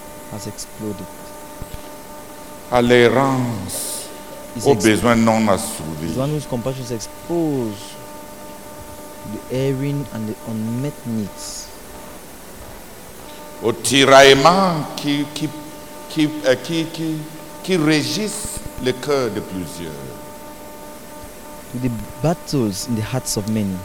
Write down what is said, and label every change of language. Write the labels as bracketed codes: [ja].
[en] Has exploded. [fr] À l'errance aux besoins non assouvis. [en] The one whose compassion is exposed to the erring and the unmet needs. [fr] Au tiraillement qui régisse le cœur de plusieurs. [en] To the battles in the hearts of many.